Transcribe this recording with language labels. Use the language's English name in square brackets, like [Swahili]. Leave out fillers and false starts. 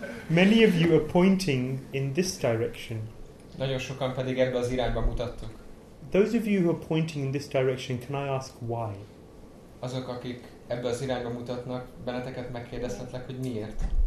[English] Many of you are pointing in this direction. [Hungarian] Nagyon sokan pedig ebbe az irányba mutattok. [English] Those of you who are pointing in this direction, can I ask why? [Hungarian] Azok, akik ebbe az irányba mutatnak, benneteket megkérdezhetlek, hogy miért?